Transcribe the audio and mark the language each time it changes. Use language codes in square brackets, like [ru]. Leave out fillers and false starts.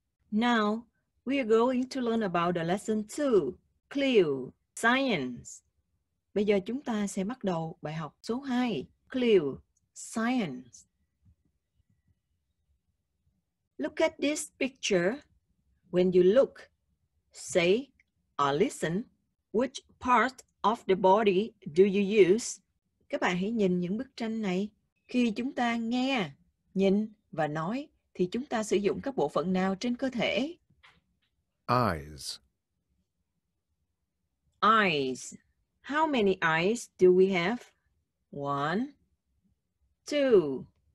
[en] Now, we are going to learn about the lesson 2, CLIL, science. [vi] Bây giờ chúng ta sẽ bắt đầu bài học số 2, CLIL, science. [en] Look at this picture. When you look, say, or listen, which part of the body do you use? [vi] Các bạn hãy nhìn những bức tranh này. Khi chúng ta nghe, nhìn và nói, thì chúng ta sử dụng các bộ phận nào trên cơ thể? [en] Eyes. Eyes. How many eyes do we have? One. Two.